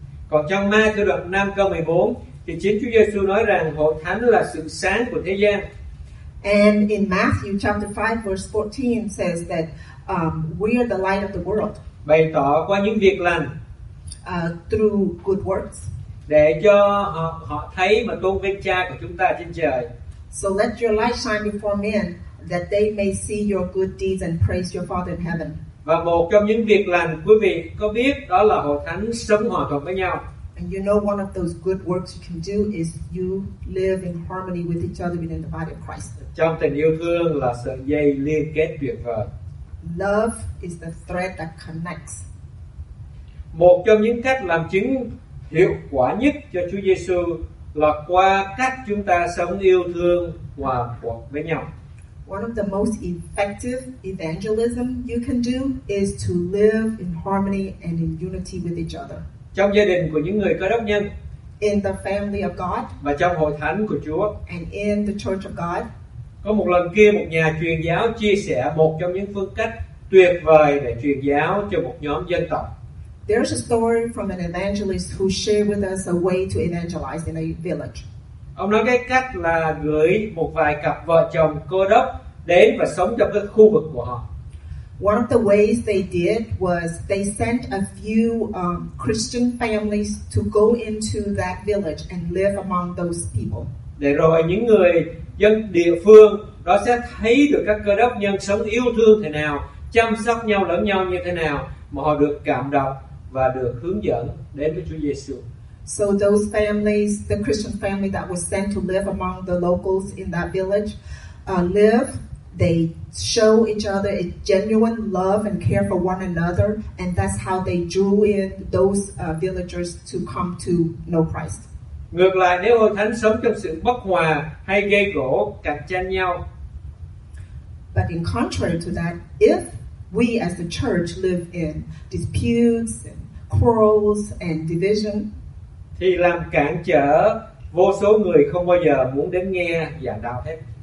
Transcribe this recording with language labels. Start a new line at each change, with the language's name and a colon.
Vietnamese: Còn trong Ma-thi-ơ đoạn 5 câu 14 thì chính Chúa Giê-xu nói rằng hội thánh là sự sáng của thế gian.
English: And in Matthew chapter 5 verse 14 says that we are the light of the world.
Vietnamese: Bày tỏ qua những việc lành.
English: Through good works.
Vietnamese: Để cho họ thấy mà tôn vinh Cha của chúng ta trên trời.
English: So let your light shine before men that they may see your good deeds and praise your Father in heaven.
Vietnamese: Và một trong những việc lành quý vị có biết đó là hội thánh sống hòa thuận với nhau.
English: And you know one of those good works you can do is you live in harmony with each other within the body of Christ.
Vietnamese: Trong tình yêu thương là sợi dây liên kết tuyệt vời.
English: Love is the thread that connects.
Vietnamese: Một trong những cách làm chứng hiệu quả nhất cho Chúa Giêsu là qua cách chúng ta sống yêu thương hòa thuận với nhau.
English: One of the most effective evangelism you can do is to live in harmony and in unity with each other.
Vietnamese: Trong gia đình của những người Cơ Đốc nhân.
English: In the family of God.
Vietnamese: Và trong hội thánh của Chúa.
English: And in the church of God.
Vietnamese: Có một lần kia một nhà truyền giáo chia sẻ một trong những phương cách tuyệt vời để truyền giáo cho một nhóm dân tộc.
English: There's a story from an evangelist who shared with us a way to evangelize in a village.
Vietnamese: Ông nói cái cách là gửi một vài cặp vợ chồng Cơ Đốc đến và sống trong cái khu vực của họ.
English: One of the ways they did was they sent a few Christian families to go into that village and live among those people.
Vietnamese: Để rồi những người dân địa phương đó sẽ thấy được các Cơ Đốc nhân sống yêu thương thế nào, chăm sóc nhau lẫn nhau như thế nào mà họ được cảm động và được hướng dẫn đến với Chúa Giêsu.
English: So those families, the Christian family that was sent to live among the locals in that village, live, they show each other a genuine love and care for one another, and that's how they drew in those villagers to come to know Christ.
Vietnamese: Ngược lại, nếu hội thánh sống trong sự bất hòa hay gây gổ, cạnh tranh nhau.
English: But in contrary to that, if we as the church live in disputes and quarrels and division,
Vietnamese: thì làm cản trở vô số người không bao giờ muốn đến nghe giảng đạo hết.